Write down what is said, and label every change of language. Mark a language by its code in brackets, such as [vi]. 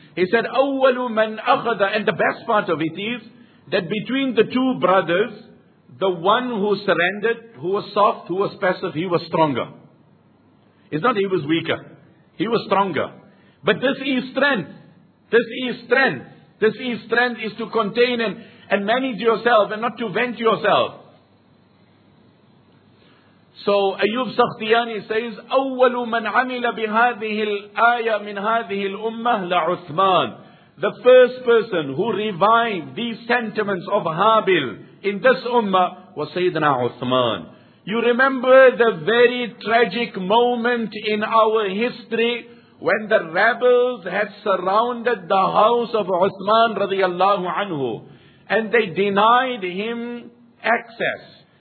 [en] He said, [ar] أَوَّلُ مَنْ أَخَذَ, [en] and the best part of it is, that between the two brothers, the one who surrendered, who was soft, who was passive, he was stronger. It's not he was weaker. He was stronger. But this is strength. This is strength. This is strength, is to contain and manage yourself and not to vent yourself. So Ayub Sakhtiani says, [ar] أَوَّلُ مَنْ عَمِلَ بِهَذِهِ الْآيَةِ مِنْ هَذِهِ الْأُمَّةِ لَعُثْمَانِ. [en] The first person who revived these sentiments of Habil in this ummah was Sayyidina Uthman. You remember the very tragic moment in our history when the rebels had surrounded the house of Uthman radiallahu anhu and they denied him access.